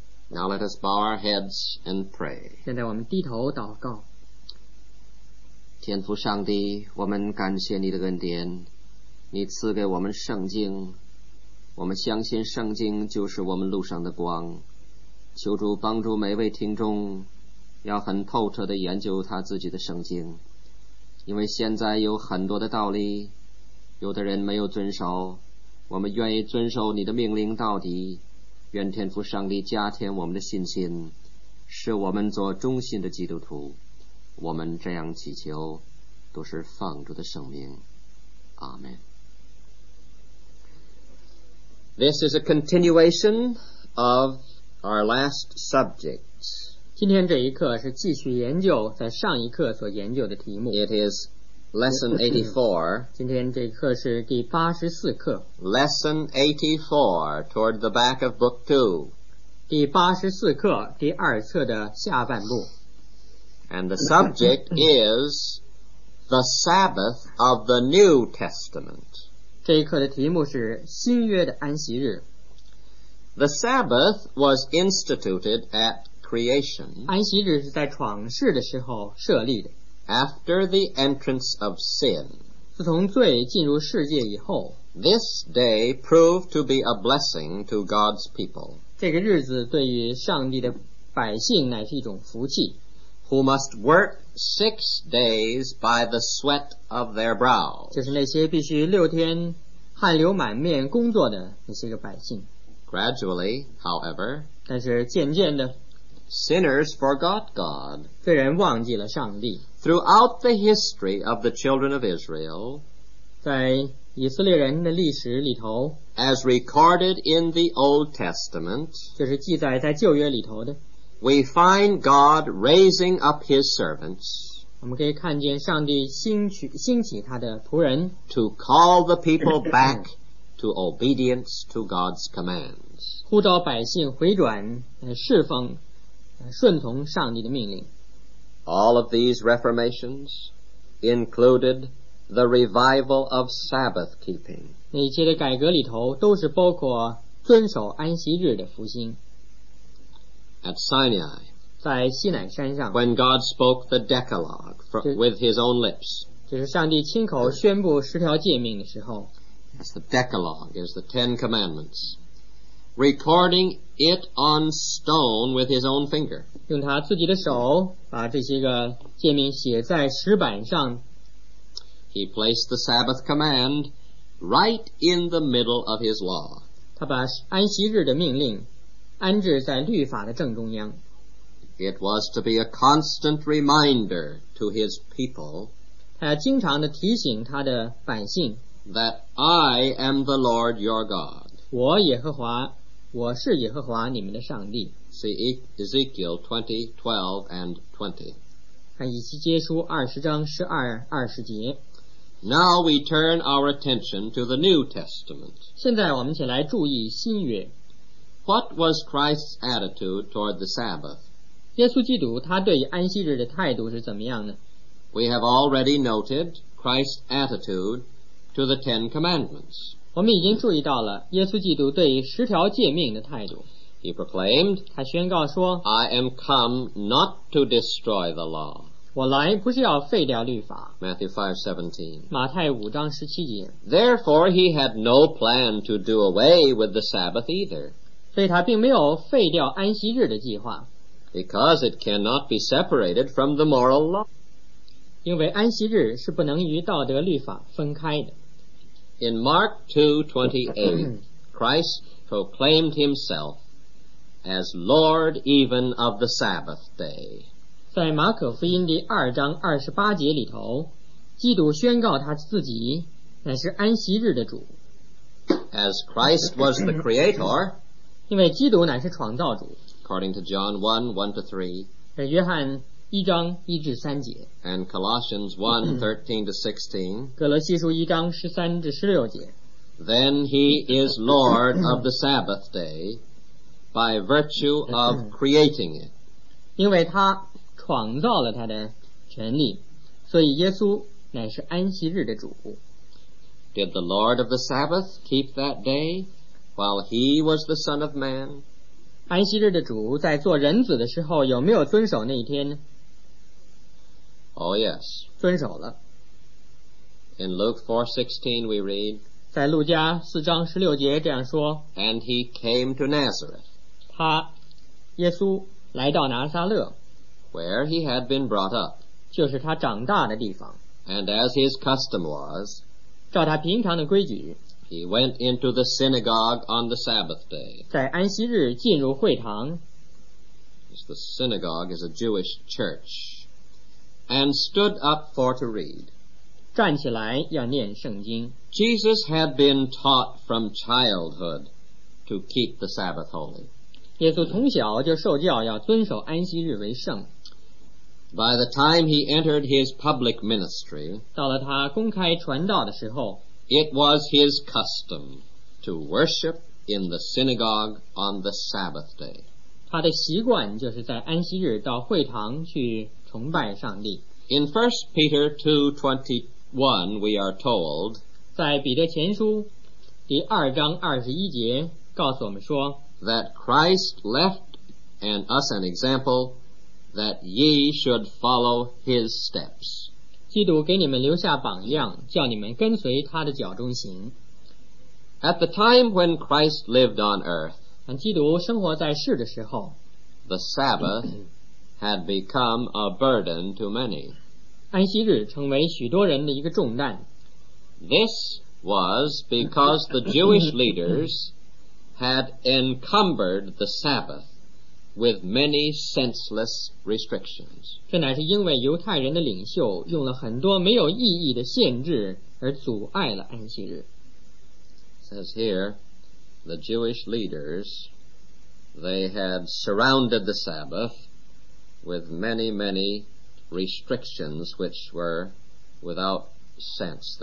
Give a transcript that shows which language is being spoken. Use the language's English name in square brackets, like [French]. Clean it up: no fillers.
[English] Now let us bow our heads and pray. [Chinese] 现在我们低头祷告。天父上帝，我们感谢你的恩典，你赐给我们圣经，我们相信圣经就是我们路上的光。求主帮助每位听众要很透彻地研究他自己的圣经，因为现在有很多的道理有的人没有遵守，我们愿意遵守你的命令到底。愿天父上帝加添我们的信心，使我们做忠心的基督徒。我们这样祈求都是奉主的圣名，阿们。 [English] This is a continuation of our last subject. [Chinese] 今天这一课是继续研究在上一课所研究的题目。 [English] It is lesson 84. [Chinese] 今天这一课是第84课。 [English] Lesson 84 toward the back of book 2. [Chinese] 第84课第二册的下半部。 [English] And the subject is the Sabbath of the New Testament. [Chinese] 这一课的题目是新约的安息日。 [English] The Sabbath was instituted at creation. [Chinese] 安息日是在创世的时候设立的。 [English] After the entrance of sin. [Chinese] 自从罪进入世界以后。 [English] This day proved to be a blessing to God's people. [Chinese] 这个日子对于上帝的百姓乃是一种福气。 [English] Who must work 6 days by the sweat of their brow. [Chinese] 就是那些必须六天汗流满面工作的那些个百姓。 [English] Gradually, however, [Chinese] 但是渐渐的 [English] sinners forgot God. [Chinese] 罪人忘记了上帝。 [English] Throughout the history of the children of Israel, [Chinese] 在以色列人的历史里头 [English] as recorded in the Old Testament, [Chinese] 就是记载在旧约里头的。 [English] We find God raising up his servants. [Chinese] 我们可以看见上帝兴起他的仆人。 [English] To call the people back to obedience to God's commands. [Chinese] 呼召百姓回转，侍奉，顺从上帝的命令。 [English] All of these reformations included the revival of Sabbath keeping. [Chinese] 那些的改革里头都是包括遵守安息日的复兴。 [English] At Sinai, [Chinese] 在西乃山上 [English] when God spoke the Decalogue with his own lips, [Chinese] 就是上帝亲口宣布十条诫命的时候 [English] as the Decalogue is the Ten Commandments, recording it on stone with his own finger, [Chinese] 用他自己的手把这些个诫命写在石板上 [English] he placed the Sabbath command right in the middle of his law, [Chinese] 他把安息日的命令安置在律法的正中央。 [English] It was to be a constant reminder to his people, [Chinese] 他经常地提醒他的百姓 [English] that I am the Lord your God. [Chinese] 我耶和华，我是耶和华你们的上帝。 [English] See Ezekiel 20, 12 and 20. [Chinese] 看以西结书20章12、20节。 [English] Now we turn our attention to the New Testament. [Chinese] 现在我们请来注意新约。 [English] What was Christ's attitude toward the Sabbath? [Chinese] 耶稣基督他对安息日的态度是怎么样的？ [English] We have already noted Christ's attitude to the Ten Commandments. [Chinese] 我们已经注意到了耶稣基督对十条诫命的态度。 [English] He proclaimed, [Chinese] 他宣告说， [English] I am come not to destroy the law. [Chinese] 我来不是要废掉律法。 [English] Matthew 5:17. [Chinese] 马太五章十七节。 [English] Therefore he had no plan to do away with the Sabbath either. [Chinese] 所以他并没有废掉安息日的计划。 [English] Because it cannot be separated from the moral law. [Chinese] 因为安息日是不能与道德律法分开的。 [English] In Mark 2:28, Christ proclaimed himself as Lord even of the Sabbath day. [Chinese] 在马可福音第二章二十八节里头，基督宣告他自己乃是安息日的主。 [English] As Christ was the Creator, [Chinese] 因为基督乃是创造主。 [English] According to John 1:1-3, [Chinese] 约翰一章一至三节。 [English] And Colossians 1:13-16, [Chinese] 格罗西书一章十三至十六节。 [English] Then he is Lord of the Sabbath day by virtue of creating it. [Chinese] 因为他创造了他的权利，所以耶稣乃是安息日的主。 [English] Did the Lord of the Sabbath keep that day while he was the Son of Man? [Chinese] 安息日的主在做人子的时候有没有遵守那一天呢？ [English] Oh yes. [Chinese] 遵守了。 [English] In Luke 4:16 we read, [Chinese] 在路加四章十六节这样说， [English] And he came to Nazareth. [Chinese] 他耶稣来到拿撒勒， [English] Where he had been brought up. [Chinese] 就是他长大的地方。 [English] And as his custom was, [Chinese] 照他平常的规矩， [English] He went into the synagogue on the Sabbath day. [Chinese] 在安息日进入会堂， [English] The synagogue is a Jewish church. And stood up for to read. [Chinese] 站起来要念圣经。 [English] Jesus had been taught from childhood to keep the Sabbath holy. [Chinese] 耶稣从小就受教要遵守安息日为圣。 [English] By the time he entered his public ministry, [Chinese] 到了他公开传道的时候， [English] it was his custom to worship in the synagogue on the Sabbath day. [Chinese] 他的习惯就是在安息日到会堂去崇拜上帝。 [English] In 1 Peter 2:21 we are told, [Chinese] 在彼得前书第二章二十一节告诉我们说， [English] that Christ left and us an example,that ye should follow his steps. [Chinese] 基督给你们留下榜样，叫你们跟随他的脚中行。 [English] At the time when Christ lived on earth, [Chinese] 基督生活在世的时候， [English] the Sabbath had become a burden to many. [Chinese] 安息日成为许多人的一个重担。 [English] This was because the Jewish leaders had encumbered the Sabbath with many senseless restrictions. [Chinese] 这乃是因为犹太人的领袖用了很多没有意义的限制而阻碍了安息日。 [English] Says here, the Jewish leaders, they had surrounded the Sabbath with many, many restrictions which were without sense.